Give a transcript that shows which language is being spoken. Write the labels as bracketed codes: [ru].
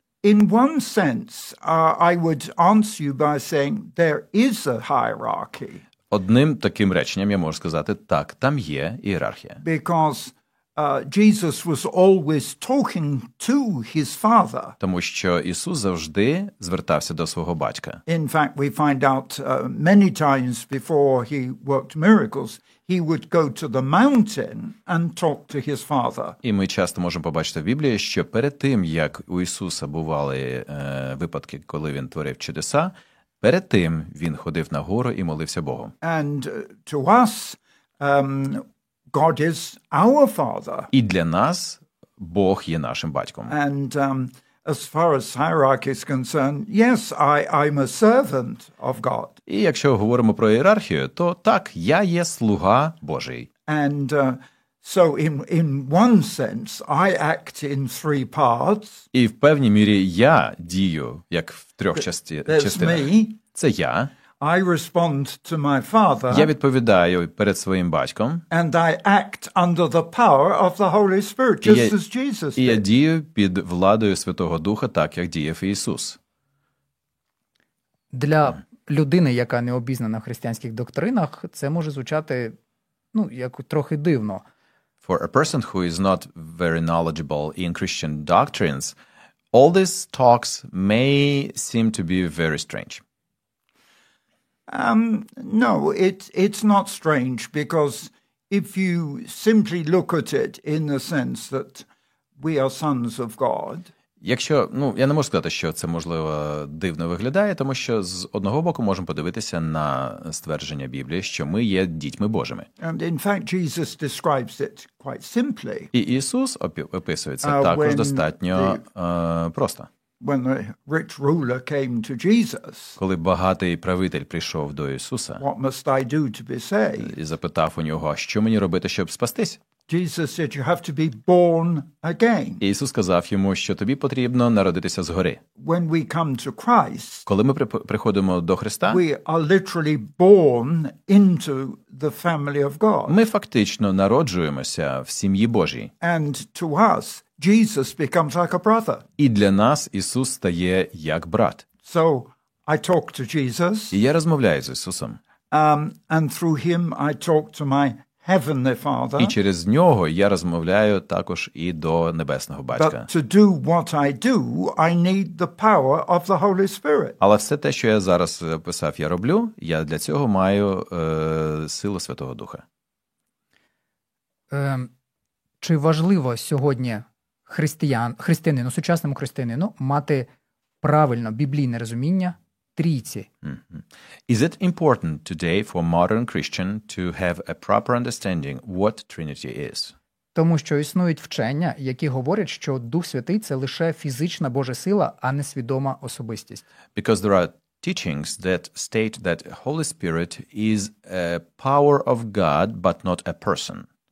[en] In one sense, I would answer you by saying there is a hierarchy. [uk] Одним таким реченням я можу сказати: так, там є ієрархія. [en] Because Jesus was always talking to his father. [uk] Тому що Ісус завжди звертався до свого батька. [en] In fact, we find out many times before he worked miracles, he would go to the mountain and talk to his father. [uk] І ми часто можемо побачити в Біблії, що перед тим, як у Ісуса бували випадки, коли він творив чудеса, перед тим він ходив на гору і молився Богу. [en] And to us, God is our father. [uk] І для нас Бог є нашим батьком. [en] And as far as hierarchy is concerned, yes, I'm a servant of God. [uk] І якщо говоримо про ієрархію, то так, я є слуга Божий. [en] And so in one sense, I act in three parts. [uk] І в певній мірі я дію як в трьох частинах. [en] It's me. [uk] Це я. [en] I respond to my father. [uk] Я відповідаю перед своїм батьком. [en] And I act under the power of the Holy Spirit, just as Jesus did. [uk] Я дію під владою Святого Духа, так як діяв Ісус. Для людини, яка не обізнана в християнських доктринах, це може звучати, ну, як трохи дивно. [en] For a person who is not very knowledgeable in Christian doctrines, all these talks may seem to be very strange. No, it's not strange, because if you simply look at it in the sense that we are sons of God. [uk] Якщо, ну, я не можу сказати, що це, можливо, дивно виглядає, тому що з одного боку можемо подивитися на ствердження Біблії, що ми є дітьми Божими. [en] And in fact, Jesus describes it quite simply. [uk] І Ісус описує це також достатньо просто. [en] When the rich ruler came to Jesus, [uk] коли багатий правитель прийшов до Ісуса, [en] what must I do to be saved? [uk] І запитав у нього, що мені робити, щоб спастись? [en] Jesus said you have to be born again. [uk] Ісус сказав йому, що тобі потрібно народитися згори. [en] When we come to Christ, [uk] коли ми приходимо до Христа, [en] we are literally born into the family of God. [uk] Ми фактично народжуємося в сім'ї Божій. [en] And to us, Jesus becomes like a brother. [uk] І для нас Ісус стає як брат. [en] So I talk to Jesus. [uk] І я розмовляю з Ісусом. [en] And through him I talk to my Heavenly Father. [uk] І через нього я розмовляю також і до Небесного Батька. [en] But to do what I do, I need the power of the Holy Spirit. [uk] Але все те, що я зараз писав, я роблю, я для цього маю силу Святого Духа. Чи важливо сьогодні християнину, сучасному християнину, мати правильно біблійне розуміння Трійці? [en] Is it important today for modern Christian to have a proper understanding what Trinity is? [uk] Тому що існують вчення, які говорять, що Дух Святий це лише фізична Божа сила, а не свідома особистість. [en] Because there are teachings that state that Holy Spirit is a power of God, but not a person.